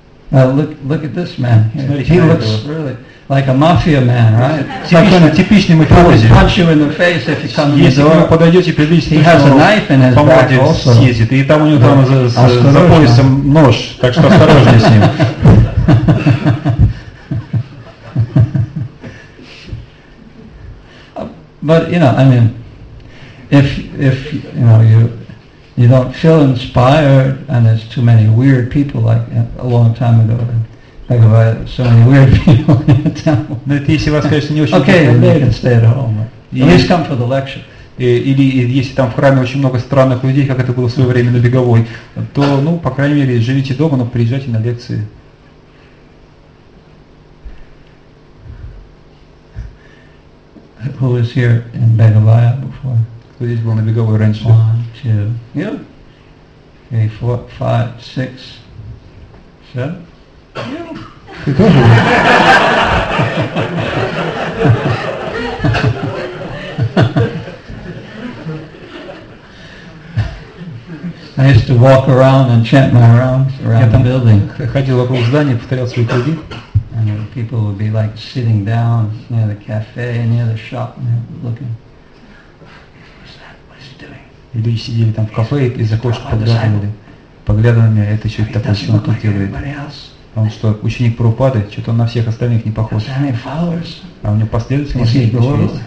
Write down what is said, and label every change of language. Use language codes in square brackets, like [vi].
[en] Look at this man. He looks really like a mafia man, right? [ru] Типичный, типичный мафиози. [en] Punch you in the face if you come to the door. [ru] Если вы подойдете, [en] he has a knife in his back also. [ru] Съездит, и там у него там за поясом нож, так что осторожнее с ним. [en] But you know, I mean, if you know you don't feel inspired, and there's too many weird people like a long time ago, like about so many weird people in the temple. [ru] Но если вас, конечно, не очень. [en] Okay, they can stay at home. At least come for the lecture. [ru] Или если там в храме очень много странных людей, как это было в свое время на Беговой, то ну по крайней мере живите дома, но приезжайте на лекции. [en] Who was here in Begavaya before? [ru] Кто здесь был на Беговой раньше? [en] 1, 2, you? 3, 4, 5, 6, 7? You. [ru] Ты тоже был? [en] I used to walk around and chant my rounds around the building. [ru] Я ходил вокруг здания, повторял свои круги. [en] And people would be like sitting down near the cafe, near the shop, and looking. [ru] И люди сидели там в кафе и из окошка поглядывали. Поглядывали на меня, это что это такое, что он тут делает? Он что, ученик Прабхупады? Что-то он на всех остальных не похож. [en] Is he any followers? [ru] А у него последователи есть?